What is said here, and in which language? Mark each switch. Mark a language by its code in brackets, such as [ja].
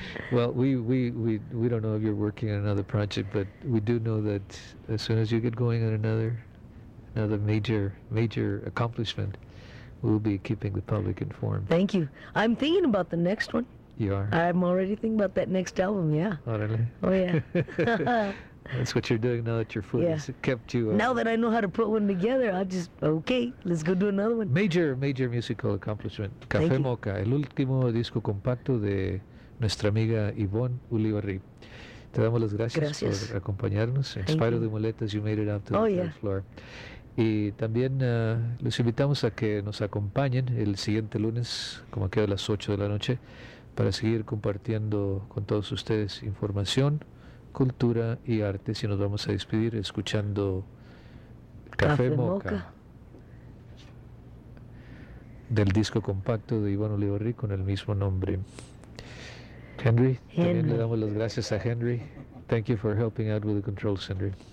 [en] Well, we don't know if you're working on another project, but we do know that as soon as you get going on another major accomplishment, we'll be keeping the public informed. Thank you. I'm thinking about the next one. You are? I'm already thinking about that next album, yeah. Oh, really? Oh, yeah. That's what you're doing now that your foot has kept you... Now that I know how to put one together, I'll just... Okay, let's go do another one. Major musical accomplishment. [es] Café Mocha, el último disco compacto de nuestra amiga Ivonne Ulibarri. Te damos las gracias por acompañarnos. [en] Thank In spite you. Of the muletas, you made it up to the third floor. [es] Y también los invitamos a que nos acompañen el siguiente lunes, como queda a las 8 de la noche, para seguir compartiendo con todos ustedes información, cultura y arte. Y nos vamos a despedir escuchando Café Mocha. Del disco compacto de Ivonne Ulibarri con el mismo nombre. Henry, también le damos las gracias a Henry. [en] Thank you for helping out with the controls, Henry.